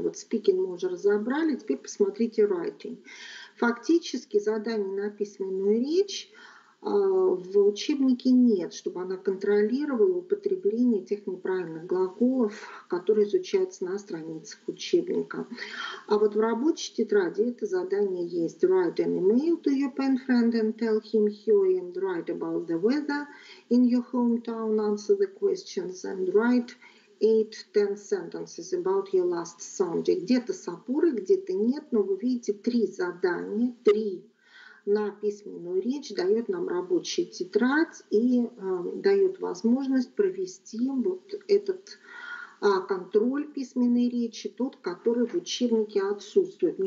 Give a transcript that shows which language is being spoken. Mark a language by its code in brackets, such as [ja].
[ru] Вот speaking мы уже разобрали, теперь посмотрите writing. Фактически заданий на письменную речь в учебнике нет, чтобы она контролировала употребление тех неправильных глаголов, которые изучаются на страницах учебника. А вот в рабочей тетради это задание есть. [en] Write an email to your pen friend and tell him he and write about the weather in your hometown, answer the questions and write 8-10 sentences about your last Sunday. [ru] Где-то с опорой, где-то нет, но вы видите три задания, три на письменную речь дает нам рабочая тетрадь и дает возможность провести вот этот контроль письменной речи, тот, который в учебнике отсутствует.